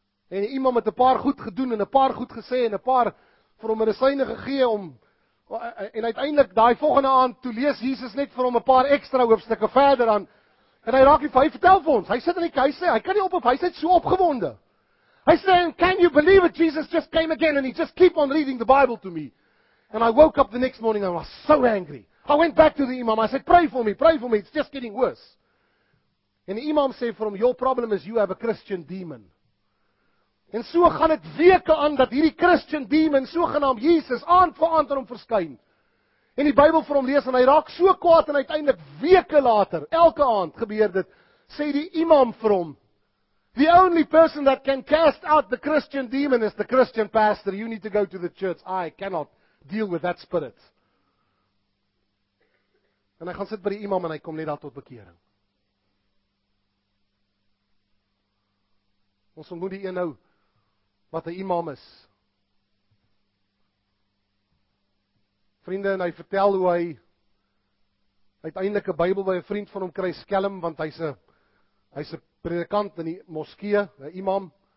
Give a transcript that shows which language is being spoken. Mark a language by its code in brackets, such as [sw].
[af] En iemand het 'n paar goed gedoen, en 'n paar goed gesê, en 'n paar vir hom medisyne gegee, en uiteindelik, daai volgende aand, toe lees Jesus net vir hom 'n paar ekstra hoofstukke verder aan, en hy raak nie, hy vertel vir ons, hy sit in die kerk, hy kan nie op, hy sit so opgewonde. Hy sê, [en] can you believe it, Jesus just came again, and he just keep on reading the Bible to me. And I woke up the next morning and I was so angry. I went back to the imam. I said, pray for me. It's just getting worse. And the imam said for him, your problem is you have a Christian demon. [af] En so gaan het weke aan dat hierdie Christian demon, so genaam Jesus, aand voor aand aan hom verskyn. En die Bybel vir hom lees en hy raak so kwaad en uiteindelik weke later, elke aand gebeur dit, sê die imam vir hom, [en] the only person that can cast out the Christian demon is the Christian pastor. You need to go to the church. I cannot deal with that spirit. [af] En hy gaan sit by die imam en hy kom net daar tot bekering. Ons ontmoet die een nou wat 'n imam is. Vriende, en hy vertel hoe hy uiteindelik 'n Bybel by 'n vriend van hom kry, skelm, want hy's 'n predikant in die moskee, 'n imam.